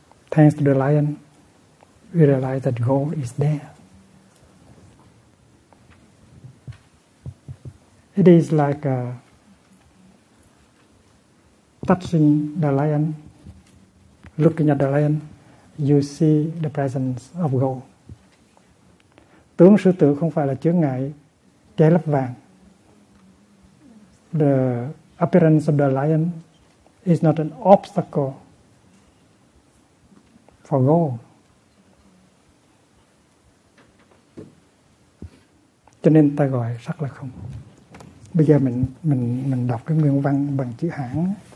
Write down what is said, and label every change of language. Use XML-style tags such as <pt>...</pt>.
<en>Thanks to the lion, we realize that gold is there. It is like touching the lion, looking at the lion, you see the presence of gold.</en> <vi>Tướng sư tử không phải là chướng ngại che lấp vàng.</vi> <en>The appearance of the lion is not an obstacle for gold.</en> <vi>Cho nên ta gọi sắc là không. Bây giờ mình đọc cái nguyên văn bằng chữ Hán.</vi>